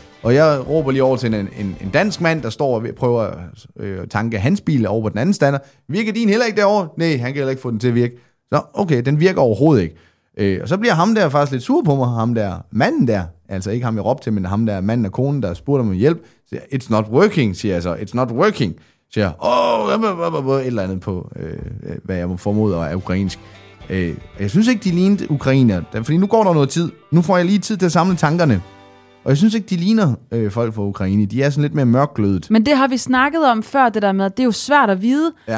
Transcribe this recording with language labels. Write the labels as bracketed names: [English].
[Danish] Og jeg råber lige over til en dansk mand, der står og prøver at tanke hans bil over på den anden stander. Virker din heller ikke derovre? Nej, han kan heller ikke få den til at virke. Så okay, den virker overhovedet ikke. Og så bliver ham der faktisk lidt sur på mig, ham der manden der. Altså ikke ham, jeg råbte til, men ham der manden og konen, der spurgte om hjælp. Siger, [English] it's not working, [Danish] siger jeg så. [English] It's not working, [Danish] siger jeg. Åh, et eller andet på, hvad jeg må formode er ukrainsk. Jeg synes ikke, de lignede ukrainer, fordi nu går der noget tid. Nu får jeg lige tid til at samle tankerne. Og jeg synes ikke, de ligner folk fra Ukraine. De er sådan lidt mere mørkglødet. Men det har vi snakket om før, det der med, at det er jo svært at vide. Ja.